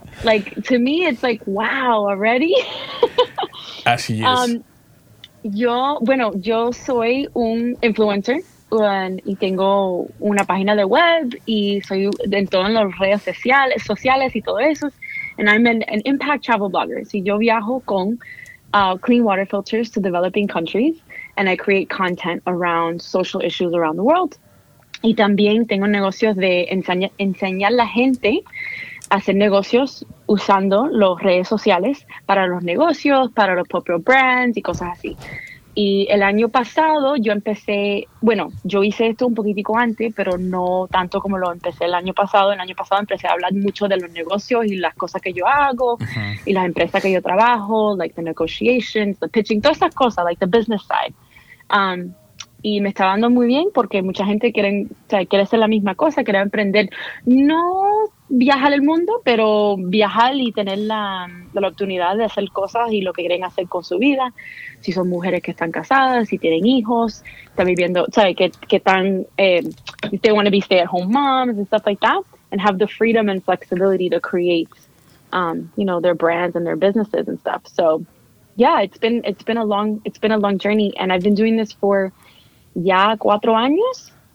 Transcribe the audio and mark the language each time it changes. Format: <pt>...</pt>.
<en>Like, to me, it's like, wow, already?</en> <es>Así es. Yo soy un influencer. Y tengo una página de web y soy en todas las redes sociales y todo eso.</es> <en>And I'm an impact travel blogger. So</en> <es>yo viajo con</es> <en>clean water filters to developing countries and I create content around social issues around the world.</en> <es>Y también tengo negocios de enseñar a la gente a hacer negocios usando las redes sociales para los negocios, para los propios brands y cosas así. Y el año pasado yo empecé, bueno, yo hice esto un poquitico antes, pero no tanto como lo empecé el año pasado. El año pasado empecé a hablar mucho de los negocios y las cosas que yo hago, uh-huh. y las empresas que yo trabajo,</es> <en>like the negotiations, the pitching,</en> <es>todas esas cosas,</es> <en>like the business side.</en> <es>Y me está dando muy bien porque mucha gente quiere hacer la misma cosa, quiere emprender, no viajar el mundo, pero viajar y tener la oportunidad de hacer cosas y lo que quieren hacer con su vida. Si son mujeres que están casadas, si tienen hijos, están viviendo, ¿sabes? Que están,</es> <en>they want to be stay-at-home moms and stuff like that, and have the freedom and flexibility to create, you know, their brands and their businesses and stuff. So, yeah, it's been a long journey, and I've been doing this for</en> <es>ya 4 años.</es>